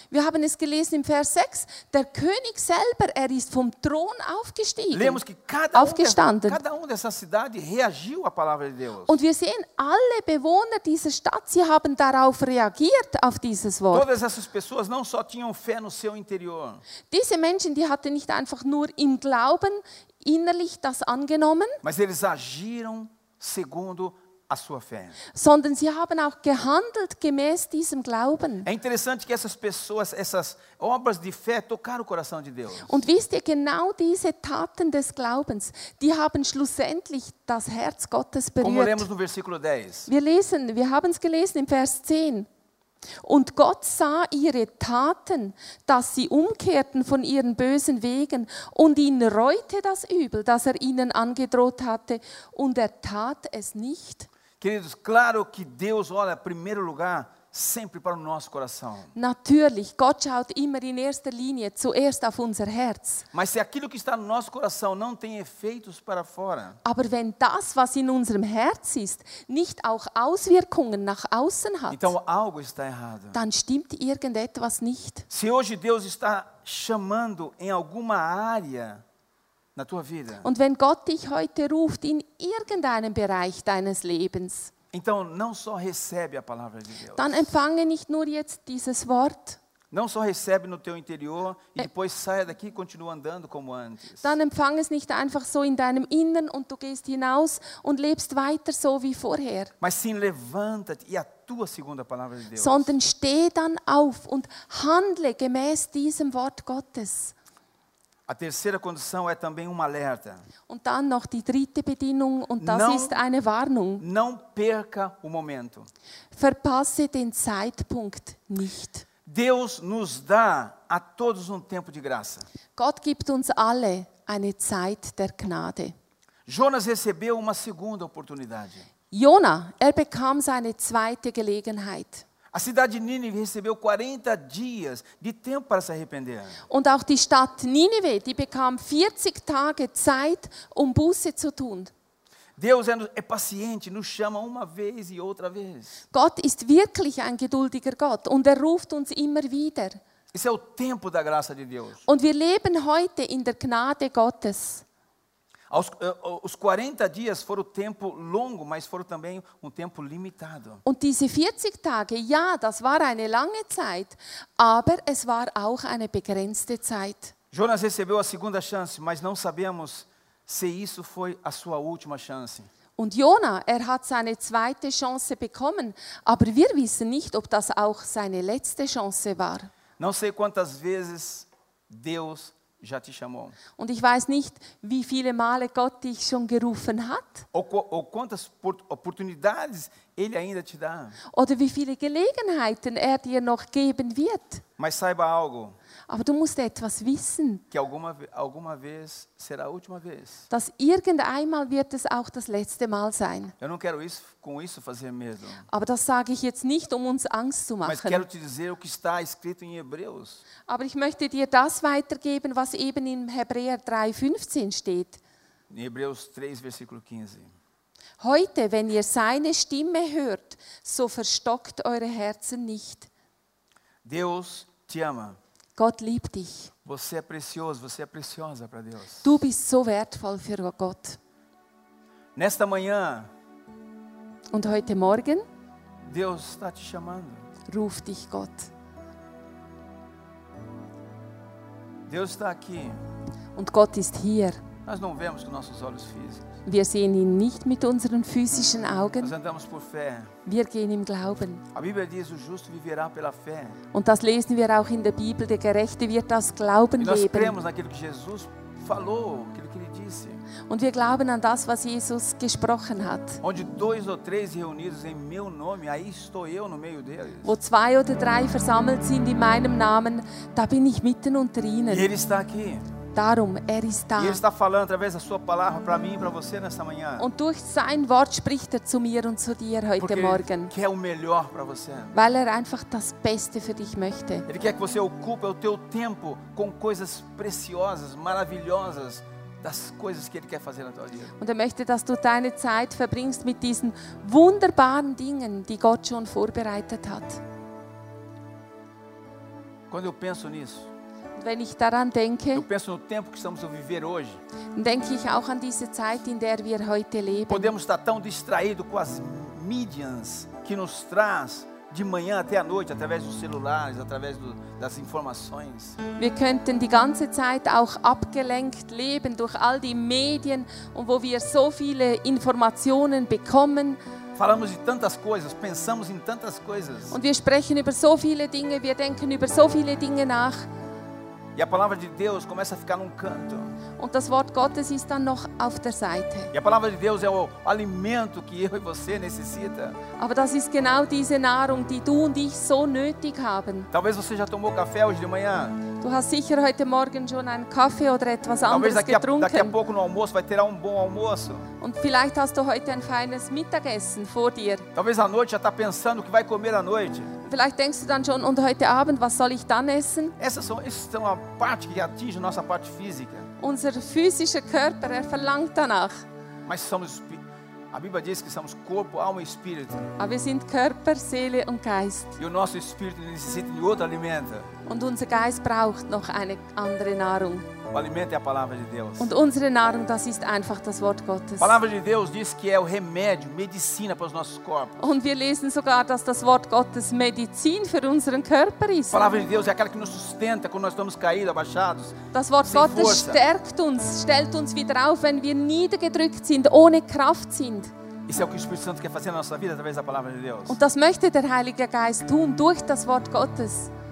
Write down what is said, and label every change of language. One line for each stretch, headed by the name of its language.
German: Wir haben es gelesen im Vers 6, der König selber, er ist vom Thron aufgestiegen.
Portuguese: Lemos que cada um dessa cidade reagiu à palavra de Deus.
German: Und wir sehen, alle Bewohner dieser Stadt, sie haben darauf reagiert, auf dieses Wort.
Portuguese: Todas essas pessoas não só tinham fé no seu interior.
German: Diese Menschen, die hatten nicht einfach nur im Glauben innerlich das angenommen,
Portuguese: mas eles agiram segundo a sua fé.
German: Sondern sie haben auch gehandelt gemäß diesem Glauben.
Portuguese: É interessante que essas pessoas, essas obras de fé tocaram o coração de Deus.
German: Und wisst ihr, genau diese Taten des Glaubens, die haben schlussendlich das Herz Gottes berührt.
Portuguese: Como lemos no versículo 10.
German: Wir haben es gelesen im Vers 10. Und Gott sah ihre Taten, dass sie umkehrten von ihren bösen Wegen, und ihn reute das Übel, das er ihnen angedroht hatte, und er tat es nicht.
Portuguese: Queridos, claro que Deus olha em primeiro lugar sempre para o nosso coração.
German: Natürlich, Gott schaut immer in erster Linie zuerst auf unser Herz.
Portuguese: Mas se aquilo que está no nosso coração não tem efeitos para fora.
German: Aber wenn das, was in unserem Herz ist, nicht auch Auswirkungen nach außen hat.
Portuguese: Então algo está errado.
German: Dann stimmt irgendetwas nicht.
Portuguese: Se hoje Deus está chamando em alguma área na tua vida.
German: Und wenn Gott dich heute ruft in irgendeinem Bereich deines Lebens,
Portuguese: então, não só recebe a palavra de Deus,
German: dann empfange nicht nur jetzt dieses Wort.
Portuguese: Não só recebe no teu interior e depois saia daqui e continua andando como antes.
German: Dann empfang es nicht einfach so in deinem Innern und du gehst hinaus und lebst weiter so wie vorher.
Portuguese: Mas sim, levanta-te e atua segundo a palavra de Deus.
German: Sondern steh dann auf und handle gemäß diesem Wort Gottes.
Portuguese: A terceira condição é também um alerta.
German: Und dann noch die dritte Bedingung und das
Portuguese: não,
German: ist eine Warnung.
Portuguese: Não perca o momento.
German: Verpasse den Zeitpunkt nicht.
Portuguese: Deus nos dá a todos tempo de graça.
German: Gott gibt uns alle eine Zeit der Gnade.
Portuguese: Jonas recebeu uma segunda oportunidade.
German: Jonah, bekam seine zweite Gelegenheit.
Portuguese: A cidade de Nínive recebeu 40 dias de tempo para se arrepender.
German: Und auch die Stadt Nínive, die bekam 40 Tage Zeit, Buße zu tun.
Portuguese: Deus é paciente, nos chama uma vez e outra vez.
German: Gott ist wirklich ein geduldiger Gott und ruft uns immer wieder.
Portuguese: Esse é o tempo da graça de Deus.
German: Und wir leben heute in der Gnade Gottes.
Portuguese: Os 40 dias foram tempo longo, mas foram também tempo limitado.
German: Und diese 40 Tage, ja, das war eine lange Zeit, aber es war auch eine begrenzte Zeit.
Portuguese: Jonas recebeu a segunda chance, mas não sabemos se isso foi a sua última chance.
German: Und Jonah, hat seine zweite Chance bekommen, aber wir wissen nicht, ob das auch seine letzte Chance war.
Portuguese: Não sei quantas vezes Deus já te chamou.
German: Und ich weiß nicht, wie viele Male Gott dich schon gerufen hat.
Portuguese: Ou quantas oportunidades ele ainda te dá.
German: Oder wie viele Gelegenheiten dir noch geben wird.
Portuguese: Mas saiba algo.
German: Aber du musst etwas wissen.
Portuguese: Que alguma vez será a última vez.
German: Dass irgendeinmal wird es auch das letzte Mal sein.
Portuguese: Eu não quero isso, com isso fazer medo.
German: Aber das sage ich jetzt nicht, uns Angst zu machen.
Portuguese: Mas quero te dizer o que está escrito em Hebreus.
German: Aber ich möchte dir das weitergeben, was eben in Hebräer 3:15 steht.
Portuguese: Em Hebreus 3, versículo 15.
German: Heute, wenn ihr seine Stimme hört, so verstockt eure Herzen nicht.
Portuguese: Deus te ama.
German: Gott liebt dich.
Portuguese: Você é precioso, você é preciosa para Deus.
German: Du bist so wertvoll für Gott.
Portuguese: Nesta manhã.
German: Und heute Morgen.
Portuguese: Deus está te chamando.
German: Ruft dich Gott.
Portuguese: Deus está aqui.
German: Und Gott ist hier.
Portuguese: Nós não vemos com nossos olhos físicos.
German: Wir sehen ihn nicht mit unseren physischen Augen.
Portuguese: Nós andamos por fé.
German: Wir gehen im Glauben.
Portuguese: A Bíblia diz, o justo viverá pela fé.
German: Und das lesen wir auch in der Bibel, der Gerechte wird aus Glauben
Portuguese: nós
German: leben.
Portuguese: Cremos naquilo que Jesus falou, aquilo que ele disse.
German: Und wir glauben an das, was Jesus gesprochen hat.
Portuguese: Onde dois ou três reunidos em meu nome, aí estou eu no meio deles.
German: Wo zwei oder drei versammelt sind in meinem Namen, da bin ich mitten unter ihnen.
Portuguese: E ele está aqui.
German: Darum,
Portuguese: está. E ele está falando através da sua palavra para mim e para você nesta manhã.
German: Und durch sein Wort spricht zu mir und zu dir heute
Portuguese: Porque
German: Morgen.
Portuguese: Ele quer o melhor para você.
German: Weil einfach das Beste für dich möchte.
Portuguese: Ele quer que você ocupe o teu tempo com coisas preciosas, maravilhosas, das coisas que ele quer fazer na tua vida.
German: Und möchte, dass du deine Zeit verbringst mit diesen wunderbaren Dingen, die Gott schon vorbereitet hat.
Portuguese: Quando eu penso nisso.
German: Wenn ich daran denke,
Portuguese: eu penso no tempo que estamos a viver hoje.
German: Denke ich auch an diese Zeit, in der wir heute leben.
Portuguese: Podemos estar tão distraídos com as mídias que nos traz de manhã até à noite, através dos celulares, através das informações.
German: Wir könnten die ganze Zeit auch abgelenkt leben durch all die Medien, wo wir so viele Informationen bekommen.
Portuguese: Falamos de tantas coisas, pensamos em tantas coisas.
German: Und wir sprechen über so viele Dinge, wir denken über so viele Dinge nach.
Portuguese: E a palavra de Deus começa a ficar num canto.
German: Und das Wort Gottes ist dann noch auf der Seite.
Portuguese: E a palavra de Deus é o alimento que eu e você necessita.
German: Aber das ist genau diese Nahrung, die du und ich so nötig haben.
Portuguese: Talvez você já tomou café hoje de manhã.
German: Du hast sicher heute Morgen schon einen Kaffee oder etwas anderes getrunken.
Portuguese: Daqui a pouco no almoço vai ter bom almoço.
German: Und vielleicht hast du heute ein feines Mittagessen vor dir.
Portuguese: Talvez à noite já está pensando o que vai comer à noite.
German: Vielleicht denkst du dann schon, und heute Abend, was soll ich dann essen?
Portuguese: Essa é uma parte que atinge a nossa parte física.
German: Unser physischer Körper, verlangt danach.
Portuguese: Mas somos, a Bíblia diz que somos corpo, alma e espírito.
German: Aber wir sind Körper, Seele und Geist.
Portuguese: E o nosso espírito necessita de outro alimento.
German: Und unser Geist braucht noch eine andere Nahrung.
Portuguese: O alimento é a palavra de Deus.
German: Und unsere Nahrung, das ist einfach das Wort Gottes.
Portuguese: A palavra de Deus diz que é o remédio, medicina para os nossos corpos.
German: Und wir lesen sogar, dass das Wort Gottes Medizin für unseren Körper ist.
Portuguese: A palavra de Deus é aquela que nos sustenta quando nós estamos caídos, abaixados.
German: Das Wort Gottes stärkt uns, stellt uns wieder auf, wenn wir niedergedrückt sind, ohne Kraft sind.
Portuguese: Isso é o que o Espírito Santo quer fazer na nossa vida através da palavra de Deus.
German: Und das möchte der Heilige Geist tun durch das Wort Gottes.